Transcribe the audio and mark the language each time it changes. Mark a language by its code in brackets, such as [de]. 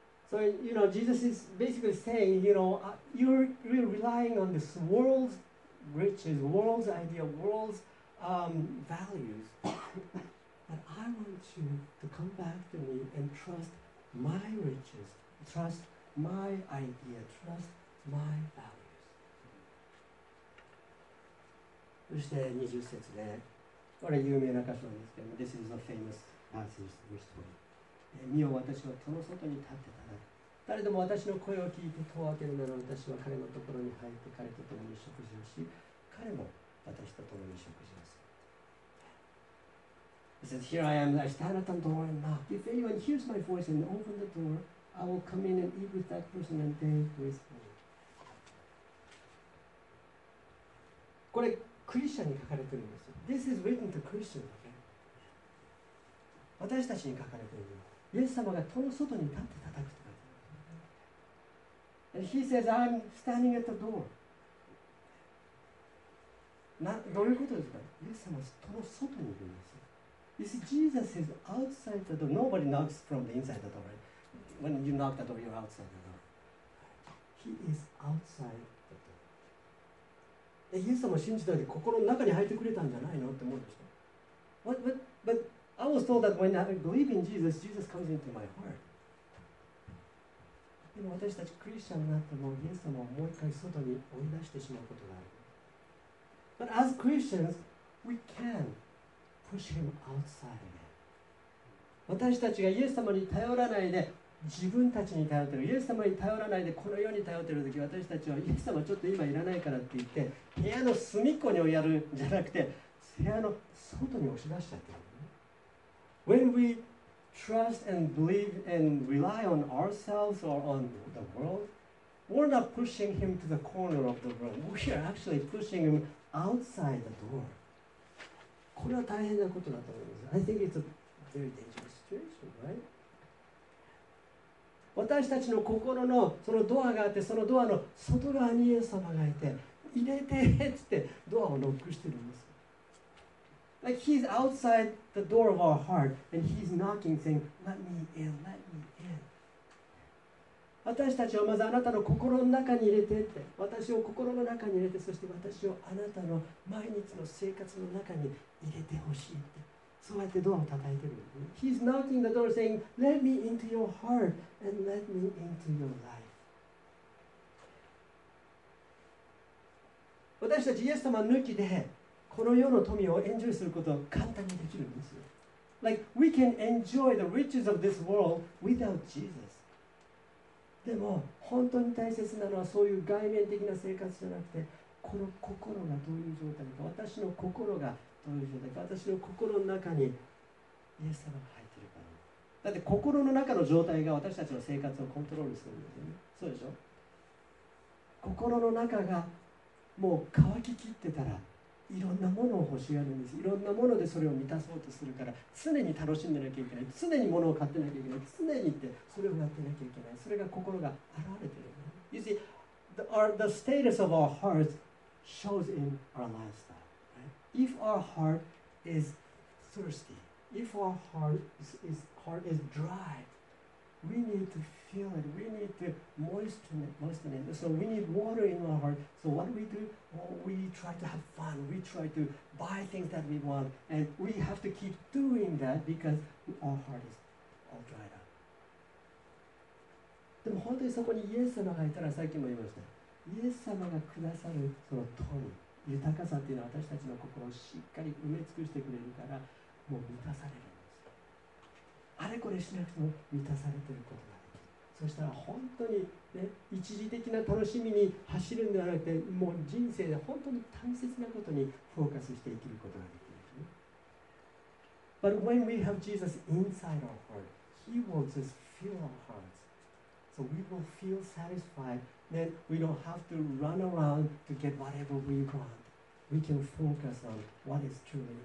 [en] So you know Jesus is basically saying, you know, you're relying on this world's riches, world's idea, world's values, but I want you to come back to me and trust my riches. Trust my idea, trust my values. [ja] そして20節で、これ有名な箇所ですけど、 [en] This is a famous passage, verse 20. [ja] 見よ、私は戸の外に立ってたら、誰でも私の声を聞いて戸を開けるなら、私は彼のところに入って彼と共に食事をし、彼も私と共に食事をする。 [en] He says, Here I am, I stand at the door and knock. If anyone hears my voice and opens the door,I will come in and eat with that person and they with me. [ja] これクリスチャンに書かれてるんですよ。 [en] This is written to Christians, okay? [ja] 私たちに書かれてる。イエス様が戸の外に立って叩くって書いてある。 [en] And he says, I'm standing at the door. [ja] どういうことですか？イエス様は戸の外にいるんですよ。 [en] You see, Jesus is outside the door. Nobody knocks from the inside the door, right? When you knock the door, you're outside the door. He is outside the door. [ja] イエス様信じたで心の中に入ってくれたんじゃないのって思うでしょ。 [en] What But I was told that when I believe in Jesus, Jesus comes into my heart. [ja] でも私たちクリスチャンになってもイエス様をもう一回外に追い出してしまうことがある。 [en] But as Christians, we can push him outside again. [ja] 私たちがイエス様に頼らないで自分たちに頼ってる、イエス様に頼らないでこの世に頼ってるとき、私たちはイエス様ちょっと今いらないからって言って部屋の隅っこに追いやるんじゃなくて部屋の外に押し出しちゃってる。 [en] When we trust and believe and rely on ourselves or on the world, we're not pushing him to the corner of the room. We are actually pushing him outside the door. [ja] これは大変なことだと思います。 [en] I think it's a very dangerous situation, right? [ja] 私たちの心のそのドアがあって、そのドアの外側にイエス様がいて、入れてっつってドアをノックしてるんです。 [en] Like he's outside the door of our heart and he's knocking saying, let me in, let me in. [ja] 私たちをまずあなたの心の中に入れてって、私を心の中に入れて、そして私をあなたの毎日の生活の中に入れてほしいって。そうやってドアを叩いてる。 [en] He's knocking the door saying, let me into your heart and let me into your life. [ja] 私たちイエス様抜きでこの世の富をエンジョイすることは簡単にできるんですよ。 [en] Like we can enjoy the riches of this world without Jesus. [ja] でも本当に大切なのはそういう外面的な生活じゃなくて、この心がどういう状態か、私の心がどういう状態か、私の心の中にイエス様が入っているか。だって心の中の状態が私たちの生活をコントロールするんですよね。そうでしょ。心の中がもう乾ききってたらいろんなものを欲しがるんです。いろんなものでそれを満たそうとするから常に楽しんでなきゃいけない、常に物を買ってなきゃいけない、常にってそれをやってなきゃいけない。それが心が現れてる。 [en] You see, the status of our heart shows in our lifestyle, right? If our heart is thirsty, if our heart is dry, we need to feel it, we need to moisten it, so we need water in our heart. So what do we do? Well, we try to have fun, we try to buy things that we want, and we have to keep doing that because our heart is all dried up. [ja] でも本当にそこにイエス様がいたら、さっきも言いました、イエス様がくださるその富、豊かさっていうのは私たちの心をしっかり埋め尽くしてくれるから、もう満たされる。あれこれしなくても満たされていることができる。そしたら本当に、ね、一時的な楽しみに走るんではなくて、もう人生で本当に大切なことにフォーカスして生きることができる。 [en] But when we have Jesus inside our heart, He will just fill our hearts. So we will feel satisfied. Then we don't have to run around to get whatever we want. We can focus on what is truly important.